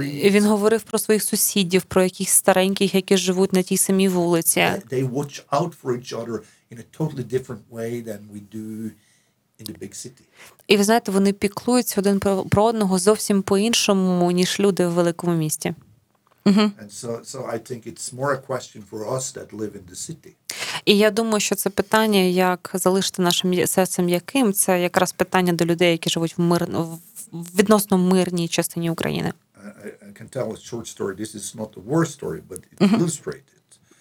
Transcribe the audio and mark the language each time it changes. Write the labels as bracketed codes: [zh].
[uk] Він говорив про своїх сусідів, про якихось стареньких, які живуть на тій самій вулиці. [en] They watch out for each other in a totally different way than we do in the big city. [uk] І ви знаєте, вони піклуються один про одного зовсім по-іншому, ніж люди в великому місті. [en] And so I think it's more a question for us that live in the city. [uk] І я думаю, що це питання, як залишити нашим серцем яким, це якраз питання до людей, які живуть в відносно мирній частині України. [en] I can tell a short story. This is not the worst story, but it illustrates it.